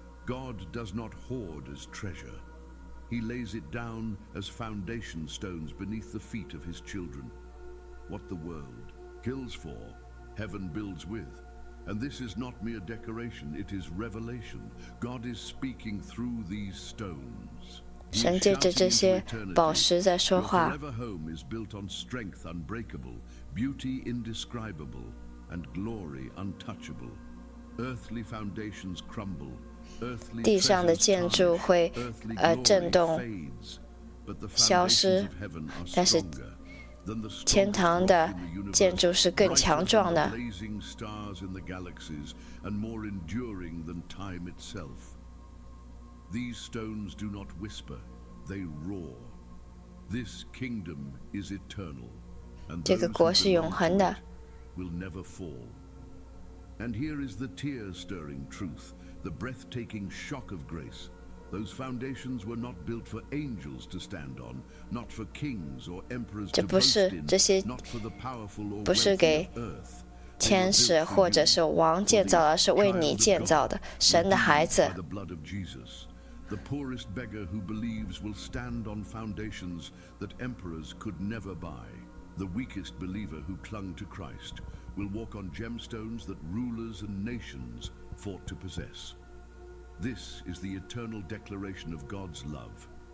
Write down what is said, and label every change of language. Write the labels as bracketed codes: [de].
[en] God does not hoard as treasure. He lays it down as foundation stones beneath the feet of his children. What the world kills for, heaven builds with. And this is not mere decoration, it is revelation. God is speaking through these stones. [zh] 神借着这些宝石在说话。 [en] Your forever home is built on strength unbreakable, beauty indescribable, and glory untouchable. Earthly foundations crumble. [zh] 地上的建筑会震动消失，但是天堂的建筑是更强壮的。 [en] Blazing stars in the galaxies and more enduring than time itself. These stones do not whisper, they roar. This kingdom is eternal, and those who belong to it will never fall. And here is the tear-stirring truth. The breathtaking shock of grace. Those foundations were not built for angels to stand on, not for kings or emperors to boast in, not for the powerful or wealthy earth. [zh] 天使或者是王建造的，是为你建造的，神的孩子。 [en] By the blood of Jesus, the poorest beggar who believes will stand on foundations that emperors could never buy. The weakest believer who clung to Christ will walk on gemstones that rulers and nations. Fought to possess. This is the eternal declaration of God's love.